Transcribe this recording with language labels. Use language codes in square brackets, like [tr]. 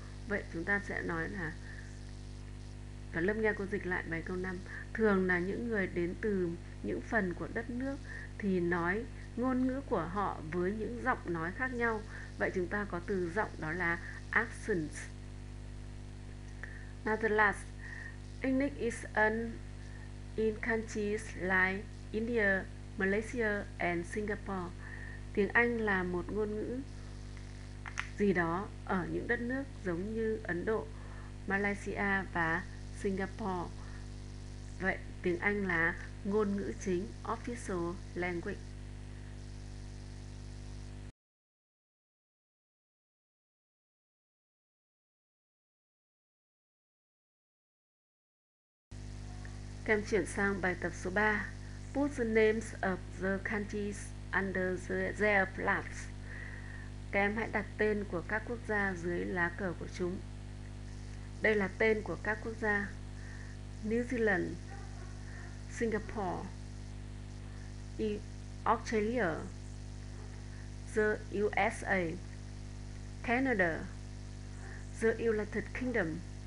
[vi] Vậy chúng ta sẽ nói là, và Lâm nghe cô dịch lại bài câu 5. Thường là những người đến từ những phần của đất nước thì nói ngôn ngữ của họ với những giọng nói khác nhau. Vậy chúng ta có từ giọng đó là accents. [en] Now the last, English is an in countries like India, Malaysia and Singapore. [vi] Tiếng Anh là một ngôn ngữ gì đó ở những đất nước giống như Ấn Độ, Malaysia và Singapore. Vậy tiếng Anh là ngôn ngữ chính, [en] official language. [vi] Em chuyển sang bài tập số 3. [en] Put the names of the countries under their flags. [vi] Các em hãy đặt tên của các quốc gia dưới lá cờ của chúng. Đây là tên của các quốc gia: New Zealand, Singapore, Australia, the USA, Canada, the United Kingdom.